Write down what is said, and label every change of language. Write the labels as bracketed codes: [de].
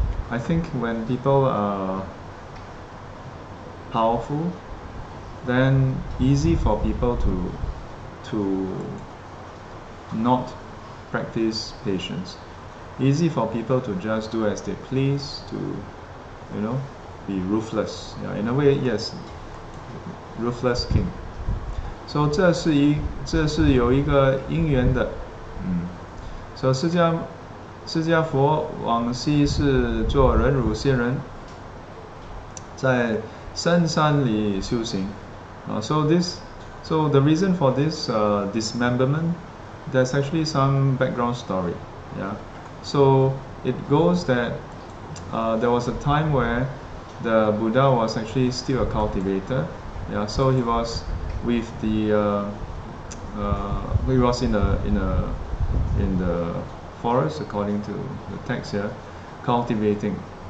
[en] I think when people are powerful, then easy for people to not practice patience. Easy for people to just do as they please, to, you know, be ruthless. Yeah, in a way, yes, ruthless king. [zh] So 这是有一个因缘的. So 释迦佛往昔是做忍辱仙人，在深山里修行. [en] So the reason for this dismemberment, there's actually some background story. Yeah. So it goes that there was a time where the Buddha was actually still a cultivator. Yeah. So he was with the he was in the forest, according to the text here, cultivating.